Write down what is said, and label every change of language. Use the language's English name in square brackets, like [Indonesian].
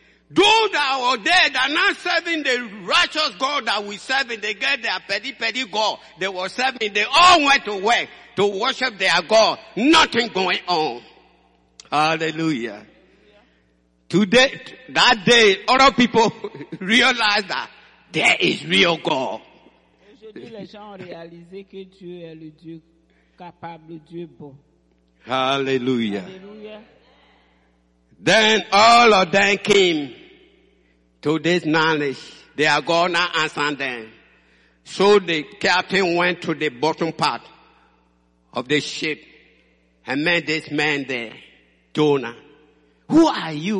[English] Those that were there, that are not serving the righteous God that we serve, they get their petty God. They were serving, they all went to work to worship their God. Nothing going on. Hallelujah. Today, that day, other people realize that there is real God. [French] Les gens ont réalisé que Dieu est le Dieu capable, le Dieu bon. [English] Hallelujah. Hallelujah. Then all of them came to this knowledge. They are going to answer them. So the captain went to the bottom part of the ship and met this man there, Jonah. Who are you?